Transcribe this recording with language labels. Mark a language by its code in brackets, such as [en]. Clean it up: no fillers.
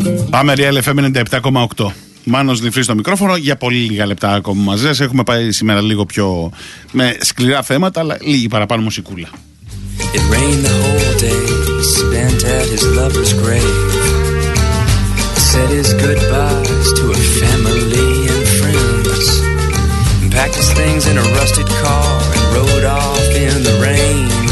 [el] Πάμε Real FM 97,8. Μάνος Νηφρής στο μικρόφωνο. Για πολύ λίγα λεπτά ακόμα μαζί σας. Έχουμε πάει σήμερα λίγο πιο με σκληρά θέματα, αλλά λίγη παραπάνω μουσικούλα. [en] It rained the whole day, spent at his lover's grave. Said his goodbyes to a family and friends. Packed his things in a rusted car and rode off in the rain.